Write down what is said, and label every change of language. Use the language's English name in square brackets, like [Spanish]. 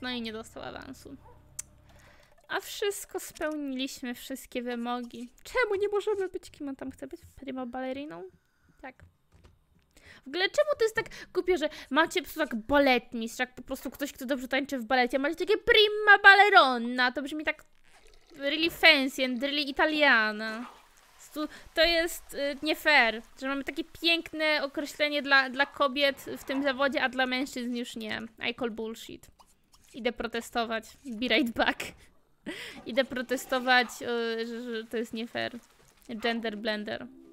[Polish] No i nie dostał awansu. A wszystko spełniliśmy, wszystkie wymogi. Czemu nie możemy być, kim on tam chce być? Prima baleriną? Tak. W ogóle czemu to jest tak głupio, że macie po prostu tak baletmistrz, jak po prostu ktoś, kto dobrze tańczy w balecie, macie takie prima balerona. To brzmi tak [English] really fancy and really italiana. [Polish] To jest nie fair, że mamy takie piękne określenie dla kobiet w tym zawodzie, a dla mężczyzn już nie. [English] I call bullshit. [Polish] Idę protestować. [English] Be right back. [Polish] Idę protestować, że to jest nie fair. [English] Gender blender.